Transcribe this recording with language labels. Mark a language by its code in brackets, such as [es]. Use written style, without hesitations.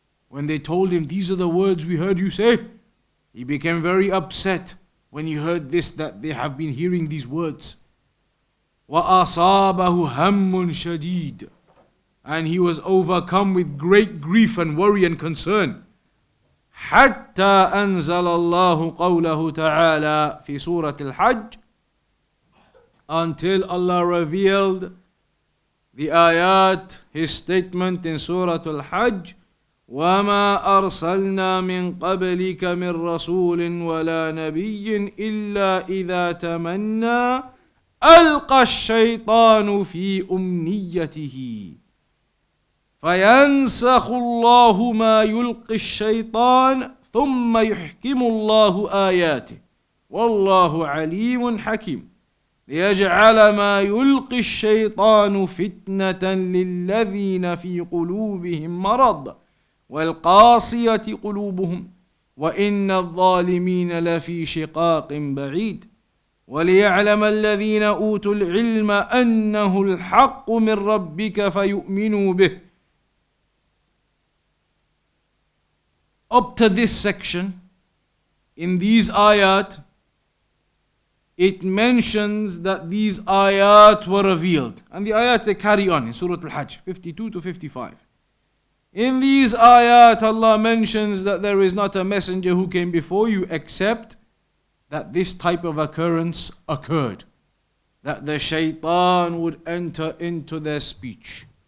[en] When they told him, these are the words we heard you say, he became very upset when he heard this, that they have been hearing these words. [ar] وأصابه هم شديد. [en] And he was overcome with great grief and worry and concern. [ar] حتى أنزل الله قوله تعالى في سورة الحج. [en] Until Allah revealed the ayat, His statement in سورة الحج. [ar] وما أرسلنا من قبلك من رسول ولا نبي إلا إذا تمنى ألقى الشيطان في أمنيته فينسخ الله ما يلقي الشيطان ثم يحكم الله آياته والله عليم حكيم ليجعل ما يلقي الشيطان فتنة للذين في قلوبهم مرض والقاسية قلوبهم وإن الظالمين لفي شقاق بعيد. وليعلم الذين أوتوا العلم أنه الحق من ربك فيؤمنوا به. [en] Up to this section, in these ayat, it mentions that these ayat were revealed. And the ayat they carry on in Surah Al-Hajj, 52 to 55. In these ayat, Allah mentions that there is not a messenger who came before you except that this type of occurrence occurred, that the shaitan would enter into their speech.